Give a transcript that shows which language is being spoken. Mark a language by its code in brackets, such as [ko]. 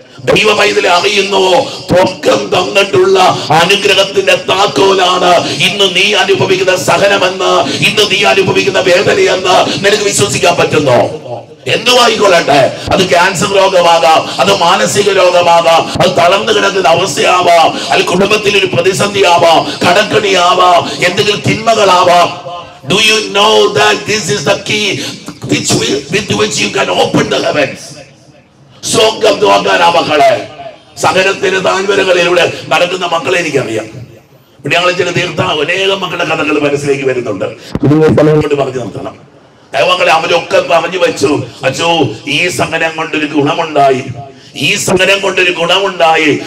[ml] ദൈവ പൈതൽ അറിയുന്നുവോ, പൊക്കം തന്നിട്ടുള്ള അനുഗ്രഹത്തിന്റെ താക്കോലാണ് ഇന്ന് നീ അനുഭവിക്കുന്ന സഹനമെന്ന്, ഇന്ന് നീ അനുഭവിക്കുന്ന വേദനയെന്ന് നിനക്ക് വിശ്വസിക്കാൻ പറ്റുന്നോ? എന്തുമായിക്കൊള്ളട്ടെ, അത് ക്യാൻസർ രോഗമാകാം, അത് മാനസിക രോഗമാകാം, അത് തളർന്നു കിടക്കുന്ന അവസ്ഥയാവാം, അത് കുടുംബത്തിൽ ഒരു പ്രതിസന്ധിയാവാം, കടക്കണിയാവാം, എന്തെങ്കിലും തിന്മകളാവാം. [en] Do you know that this is the key with which you can open the heavens? [ml] സ്വർഗം തുറക്കാനാ മക്കളെ. സഹനത്തിന് താഴ്വരകളിലൂടെ നടക്കുന്ന മക്കളെ എനിക്കറിയാം. ഇവിടെ ഞങ്ങൾ ചില തീർത്ത അനേകം മക്കളുടെ കഥകൾ മനസ്സിലേക്ക് വരുന്നുണ്ട്. കൊണ്ട് പറഞ്ഞു നിർത്തണം. ദൈവങ്ങളെ, അവരൊക്കെ പറഞ്ഞു വെച്ചു, അച്ഛോ ഈ സഹനം കൊണ്ടൊരു ഗുണമുണ്ടായി, ഈ സഹനം കൊണ്ടൊരു ഗുണമുണ്ടായി.